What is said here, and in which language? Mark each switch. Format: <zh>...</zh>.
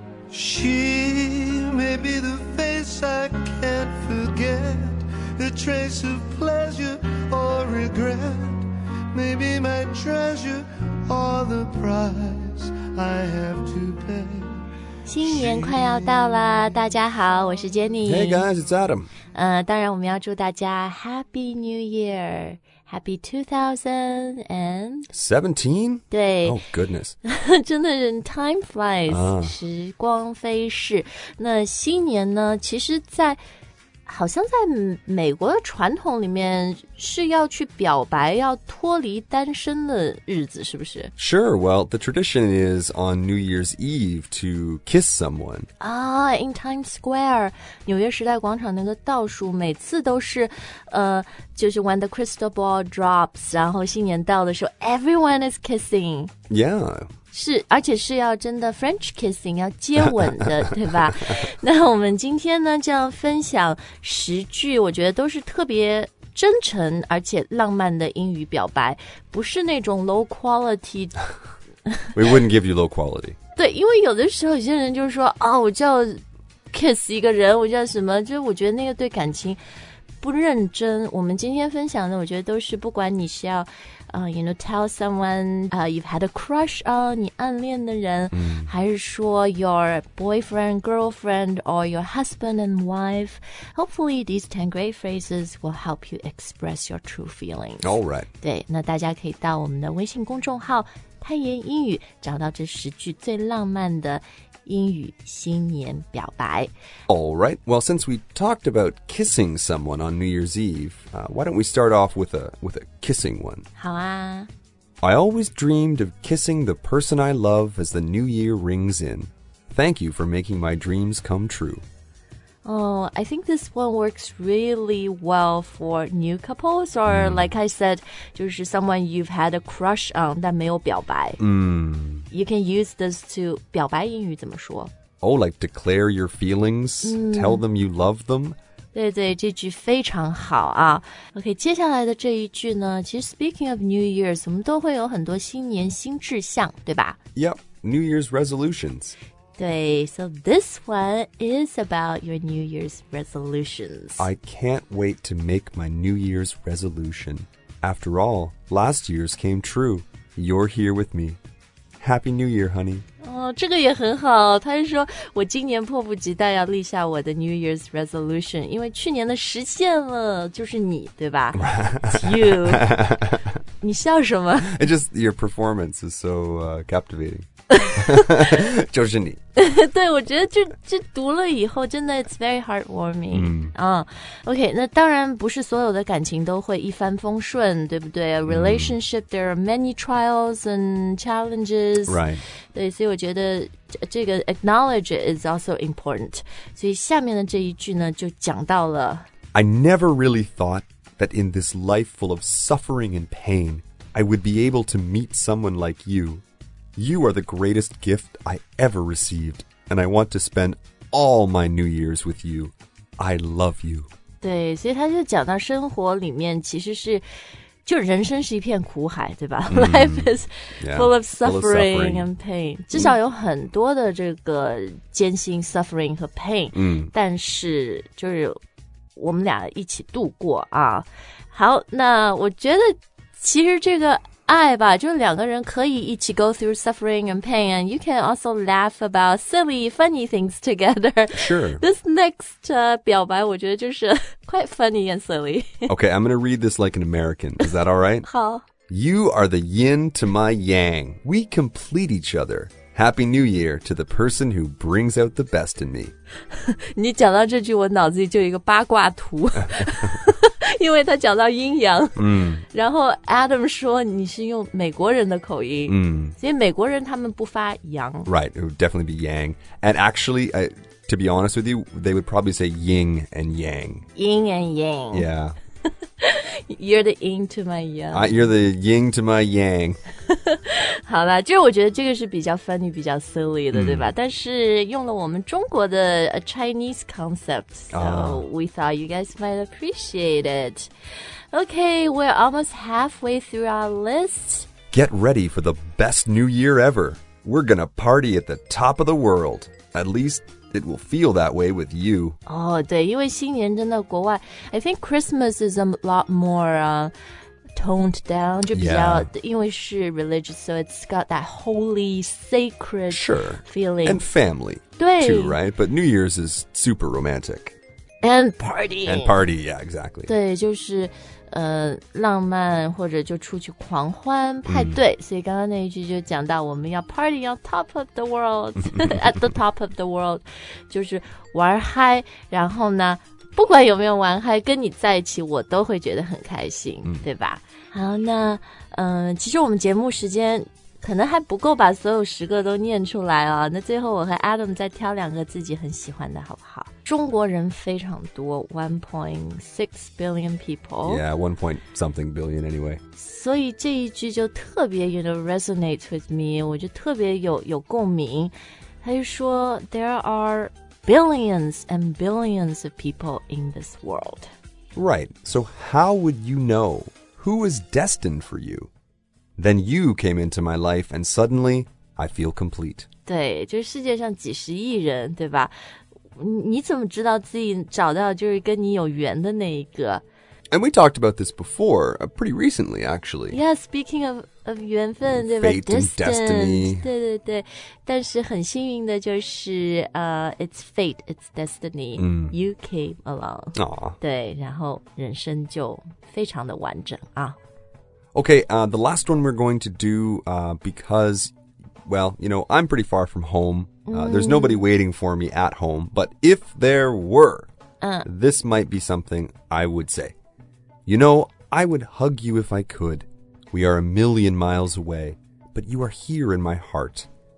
<en>She may be the face I can't forget, a trace of pleasure or regret, maybe my treasure or the price I have to pay.</en> <zh>新年快要到了，大家好，我是 Jenny。</zh> <en>Hey guys, it's Adam.</en> <zh>当然我们要祝大家</zh> <en>Happy New Year, Happy 2017.</en> <zh>对，</zh> <en>Oh goodness.</en> <zh>真的是</zh> <en>time flies,</en> <zh>时光飞逝。那新年呢，其实在好像在美国的传统里面是要去表白，要脱离单身的日子，是不是？</zh> <en>Sure, well, the tradition is on New Year's Eve to kiss someone. Ah, in Times Square,</en> <zh>纽约时代广场那个倒数每次都是就是</zh> <en>when the crystal ball drops,</en> <zh>然后新年到的时候</zh> <en>everyone is kissing. Yeah.</en> <zh>是，而且是要真的</zh> <en>French kissing,</en> <zh>要接吻的，对吧？那我们今天呢，就要分享十句，我觉得都是特别真诚而且浪漫的英语表白，不是那种</zh> <en>low quality. We wouldn't give you low quality.</en> <zh>对，因为有的时候有些人就是说，哦，我就要 kiss 一个人，我就要什么，就我觉得那个对感情不认真。我们今天分享的，我觉得都是不管你是要。</zh> <en>You know, tell someone you've had a crush on,</en> <zh>你暗恋的人、</zh> <en>mm.</en> <zh>还是说</zh> <en>your boyfriend, girlfriend, or your husband and wife. Hopefully, these 10 great phrases will help you express your true feelings. All right.</en> <zh>对，那大家可以到我们的微信公众号泰言英语找到这十句最浪漫的英语新年表白。</zh> <en>All right. Well, since we talked about kissing someone on New Year's Eve, why don't we start off with a kissing one?</en> <zh>好啊。</zh> <en>I always dreamed of kissing the person I love as the New Year rings in. Thank you for making my dreams come true. Oh, I think this one works really well for new couples, or like I said,</en> <zh>就是</zh> <en>someone you've had a crush on</en> <zh>但没有表白。</zh> <en>You can use this to</en> <zh>表白英语怎么说</zh> <en>Oh, like declare your feelings,tell them you love them.</en> <zh>对对，这句非常好啊。 OK, 接下来的这一句呢，其实</zh> <en>speaking of New Year's,</en> <zh>我们都会有很多新年新志向，对吧？</zh> <en>Yep, New Year's resolutions.</en> <zh>对，</zh> <en>so this one is about your New Year's resolutions. I can't wait to make my New Year's resolution. After all, last year's came true. You're here with me. Happy New Year, honey.</en> <zh>这个也很好。他就说我今年迫不及待要立下我的</zh> <en>New Year's resolution,</en> <zh>因为去年的实现了就是你，对�ba?</zh> <en>It's you.</en> <zh>你笑什么？</zh> <en>It's just your performance is so captivating.</en> <zh>就是你。对，我觉得这读了以后真的</zh> <en>it's very heartwarming.</en> <zh>OK, 那当然不是所有的感情都会一帆风顺，对不对？</zh> <en>Relationship,there are many trials and challenges. Right.</en> <zh>对，所以我觉得这个</zh> <en>acknowledge is also important.</en> <zh>所以下面的这一句呢就讲到了。</zh> <en>I never really thought that in this life full of suffering and pain, I would be able to meet someone like you. You are the greatest gift I ever received, and I want to spend all my New Year's with you. I love you.</en> <zh>对，所以他就讲到生活里面其实是，就人生是一片苦海，对吧？</zh> <en>Life is full of suffering and pain.</en> <zh>至少有很多的这个艰辛 suffering 和 pain. 但是就是我们俩一起度过啊。好，那我觉得其实这个爱吧，就是两个人可以一起</zh> <en>go through suffering and pain, and you can also laugh about silly, funny things together. Sure. This next</en> <zh>表白我觉得就是</zh> <en>quite funny and silly. Okay, I'm going to read this like an American. Is that all right?</en> <zh>好。</zh> <en>You are the yin to my yang. We complete each other. Happy New Year to the person who brings out the best in me.</en> <zh>你讲到这句我脑子里就有一个八卦图。因为他讲到阴阳然后 Adam 说你是用美国人的口音所以美国人他们不发阳</zh> <en>Right, it would definitely be yang. And actually, to be honest with you, they would probably say yin and yang. Yin and yang. Yeah. You're the yin to my yang. You're the yin to my yang.</en> <zh>好啦，就是我觉得这个是比较 funny, 比较 silly 的对吧？但是用了我们中国的</zh> <en>a Chinese concept, so we thought you guys might appreciate it. Okay, we're almost halfway through our list. Get ready for the best new year ever. We're gonna party at the top of the world. At least it will feel that way with you. Oh,</en> <zh>对，因为新年真的国外</zh> <en>I think Christmas is a lot more、toned down,</en> <zh>就比较、</zh> <en>yeah.</en> <zh>因为是</zh> <en>religious, so it's got that holy, sacred、 sure. feeling. And family, 对 too, right? But New Year's is super romantic. And partying. And party, yeah, exactly.</en> <zh>对，就是浪漫或者就出去狂欢派对、mm. 所以刚刚那一句就讲到我们要</zh> <en>party on top of the world</en> <zh>at the top of the world 就是玩嗨然后呢不管有没有玩嗨跟你在一起我都会觉得很开心、mm. 对吧好那其实我们节目时间可能还不够把所有十个都念出来哦那最后我和 Adam 再挑两个自己很喜欢的好不好中国人非常多</zh> <en>1.6 billion people Yeah, 1 point something billion anyway</en> <zh>所以这一句就特别</zh> <en>you know, resonates with me</en> <zh>我就特别 有共鸣他就说</zh> <en>There are billions and billions of people in this world Right, so how would you know who is destined for youThen you came into my life, and suddenly, I feel complete.</en> <zh>对，就是世界上几十亿人，对吧？你怎么知道自己找到就是跟你有缘的那一个？</zh> <en>And we talked about this before, pretty recently, actually. Yeah, speaking of</en> <zh>缘分，对吧？</zh> <en>Fate and destiny.</en> <zh>对对对，但是很幸运的就是</zh> <en>it's fate, it's destiny.、 Mm. You came along. Aww.</en> <zh>对，然后人生就非常的完整啊。</zh> <en>Okay, the last one we're going to do because, well, you know, I'm pretty far from home.、There's nobody waiting for me at home. But if there were,、this might be something I would say. You know, I would hug you if I could. We are a million miles away, but you are here in my heart.</en>